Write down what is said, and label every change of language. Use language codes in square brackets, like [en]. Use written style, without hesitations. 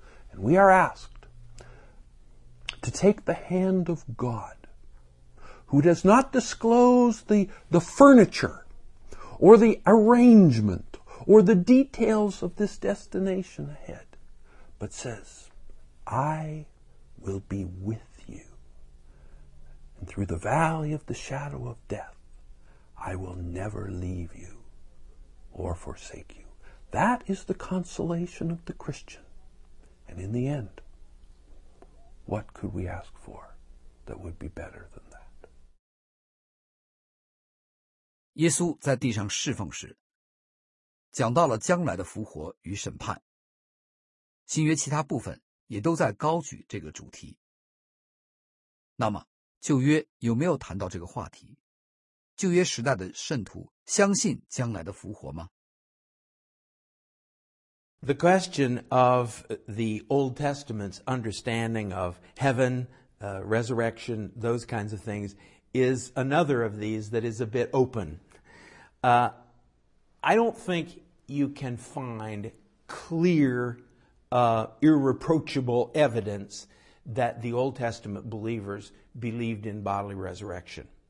[en] And we are asked to take the hand of God, who does not disclose the furniture or the arrangement or the details of this destination ahead, but says, I will be with you. And through the valley of the shadow of death, I will never leave you or forsake you. That is the consolation of the Christian. And in the end, what could we ask for that would be better than that? [zh] 耶稣在地上侍奉时，讲到了将来的复活与审判。新约其他部分也都在高举这个主题。那么，旧约有没有谈到这个话题？旧约时代的圣徒相信将来的复活吗？ [en] The question of the Old Testament's understanding of heaven, resurrection, those kinds of things, is another of these that is a bit open. I don't think you can find clear, irreproachable evidence that the Old Testament believers believed in bodily resurrection.